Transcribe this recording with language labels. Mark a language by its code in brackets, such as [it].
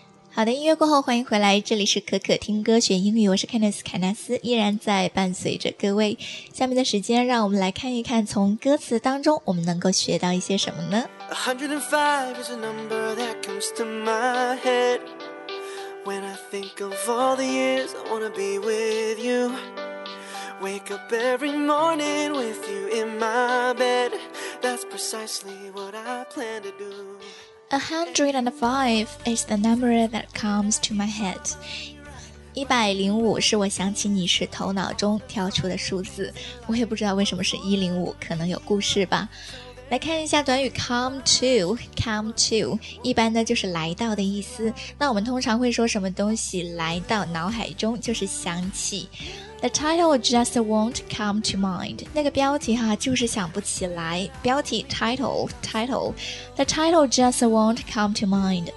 [zh] 好的，音乐过后欢迎回来，这里是可可听歌学英语，我是 Candice 凯纳斯，依然在伴随着各位。下面的时间让我们来看一看，从歌词当中我们能够学到一些什么呢？ [en] 105 is a number that comes to my head When I think of all the years I wanna be with you. Wake up every morning with you in my bed. That's precisely what I plan to do. 105 is the number that comes to my head. [zh] 105是我想起你时头脑中跳出的数字，我也不知道为什么是105，可能有故事吧。来看一下短语 come to， 一般呢就是来到的意思。那我们通常会说什么东西来到脑海中，就是想起。 [en] The title just won't come to mind. [zh] 那个标题哈，就是想不起来。标题 title. [en] The title just won't come to mind.